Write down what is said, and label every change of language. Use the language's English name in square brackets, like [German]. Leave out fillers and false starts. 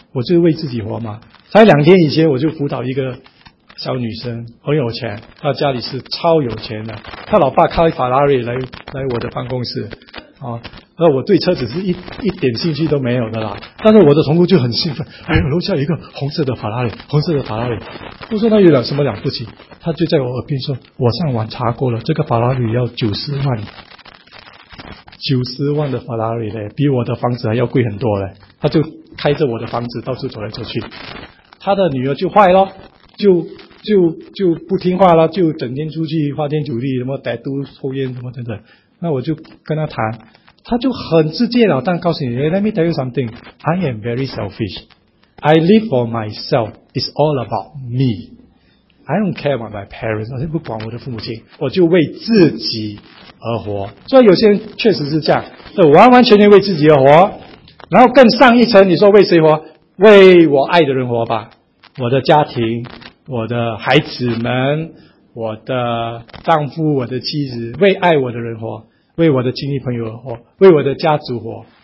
[Chinese] 我就是为自己活吗？才两天以前我就辅导一个小女生，很有钱，她家里是超有钱的，她老爸开法拉利来我的办公室，那我对车子是一点兴趣都没有的啦，但是我的同工就很兴奋，哎呦，楼下有一个红色的法拉利，红色的法拉利，我说那有点什么了不起，她就在我耳边说，我上网查过了，这个法拉利要90万，90万的法拉利嘞，比我的房子还要贵很多嘞。他就开着我的房子到处走来走去，他的女儿就坏咯，就不听话了，就整天出去花天酒地，什么歹毒抽烟什么等等。那我就跟他谈，他就很直接了当告诉你 [English] ，Let me tell you something, I am very selfish, I live for myself, it's all about me, I don't care about my parents, [Chinese] 我不管我的父母亲，我就为自己而活。所以有些人确实是这样，是完完全全为自己而活，然后更上一层，你说为谁活？为我爱的人活吧，我的家庭，我的孩子们，我的丈夫，我的妻子，为爱我的人活，为我的亲戚朋友活，为我的家族活。